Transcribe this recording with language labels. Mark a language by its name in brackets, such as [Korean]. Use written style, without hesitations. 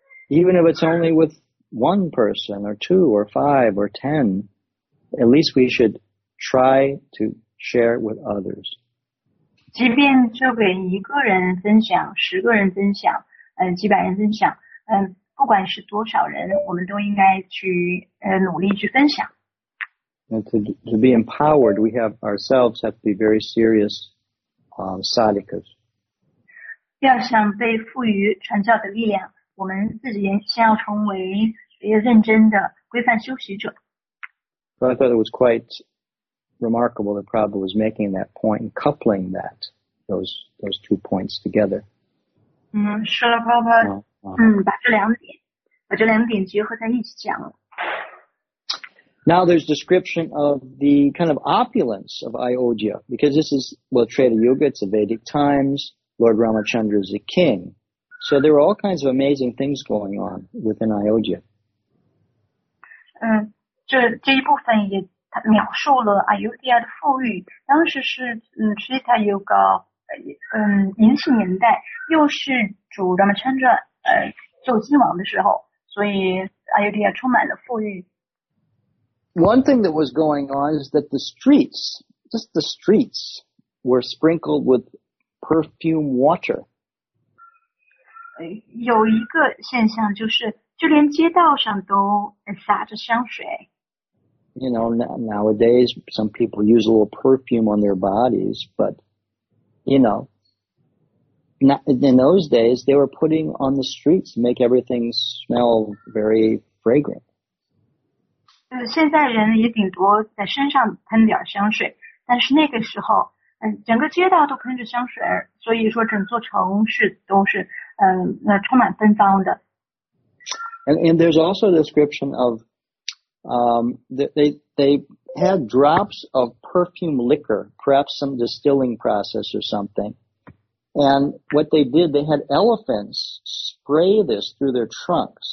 [English] Even if it's only with one person, or two, or five, or ten, at least we should try to share with others. [Chinese] 即便就给一个人分享，十个人分享，几百人分享，不管是多少人，我们都应该去努力去分享。 [English] And to be empowered, we have ourselves have to be very serious sadhikas. [Chinese] 要想被赋予传教的力量，我们自己先要成为认真的规范修习者。 [English] So I thought it was quite remarkable that Prabhu was making that point, coupling that those two points together. [Chinese] 是了 ，Prabhu， 把这两点结合在一起讲了。 [English] Now there's description of the kind of opulence of Ayodhya, because this is, well, Treta Yuga, it's the Vedic times, Lord Ramachandra is the king. So there are all kinds of amazing things going on within Ayodhya. [Chinese] 这一部分也描述了 Ayodhya 的富裕，当时是Treta Yuga, 银杏年代，又是主 Ramachandra, 做金王的时候，所以 Ayodhya 充满了富裕。 [English] One thing that was going on is that the streets, just the streets, were sprinkled with perfume water. [Chinese] 有一个现象就是，就连街道上都撒着香水。 [English] You know, nowadays some people use a little perfume on their bodies, but you know, in those days they were putting on the streets to make everything smell very fragrant. [Chinese] 现在人也顶多在身上喷点香水，但是那个时候，整个街道都喷着香水，所以说整座城市都是充满芬芳的。 [English] And there's also a description of they had drops of perfume liquor, perhaps some distilling process or something. And what they did, they had elephants spray this through their trunks.